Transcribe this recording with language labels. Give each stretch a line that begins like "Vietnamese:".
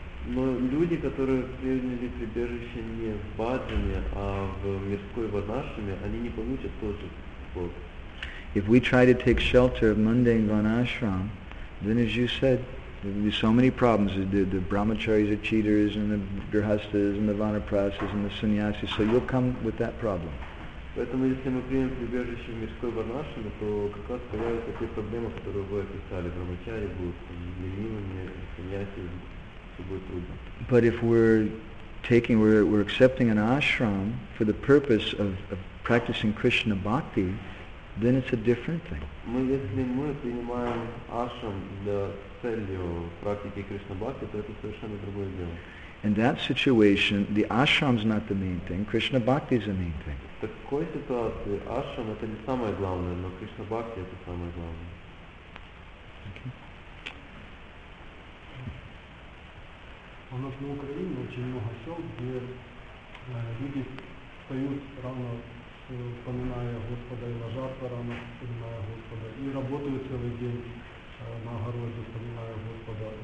Russian: Но люди, которые приняли прибежище не в баджане, а в мирской ванашраме, они не получат тот же плод.
English: If we try to take shelter of mundane vanashram, then as you said, there will be so many problems. The brahmacharis are cheaters, and the grihasthas, and the vanaprasas, and the sannyasis, so you'll come with that problem.
Russian: Поэтому если мы примем прибежище в мирской варнашине, то как раз появятся те проблемы, которые вы описали. Брахмачари будут ленивыми, саньяси, все будет трудно.
English: But if we're accepting an ashram for the purpose of practicing Krishna bhakti, then it's a different thing.
Russian: Но если мы принимаем ашрам для целью практики Кришна бхакти, то это совершенно другое дело.
English: In that situation, the ashram is not the main thing. Krishna bhakti is the main thing.
Russian: В такой ситуации ашрам это не самое главное, но Кришна бхакти это самое главное. У нас на Украине очень много сел, где люди встают рано, вспоминая Господа, и ложатся рано, вспоминая Господа, и работают целый день на огороде, вспоминая Господа.